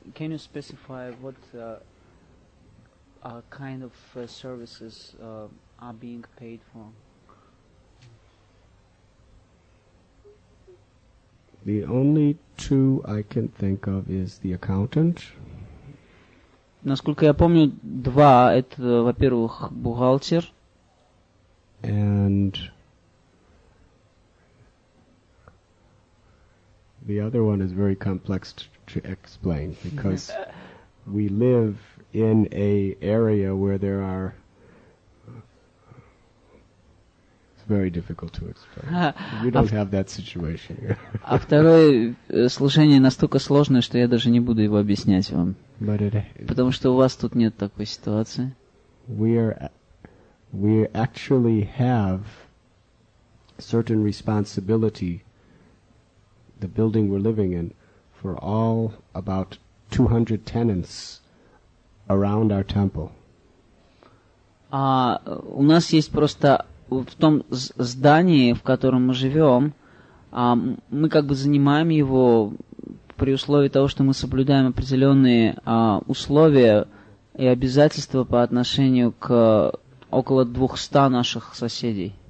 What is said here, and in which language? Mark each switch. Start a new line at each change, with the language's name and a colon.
English: Can you specify what kind of services are being paid for? The only two I can think of is the accountant.
Russian: Насколько я помню, два — это, во-первых, бухгалтер.
English: And the other one is very complex to explain because we live in a area where there are it's very difficult to explain. We don't have that situation here.
Russian: А второе служение настолько сложное, что я даже не буду его объяснять вам. Потому что у вас тут нет такой ситуации.
English: We actually have certain responsibility, the building we're living in, for all about 200 tenants around our temple.
Russian: У нас есть просто в том здании, в котором мы живем, мы как бы занимаем его при условии того, что мы соблюдаем определенные условия и обязательства по отношению к около 200 наших соседей.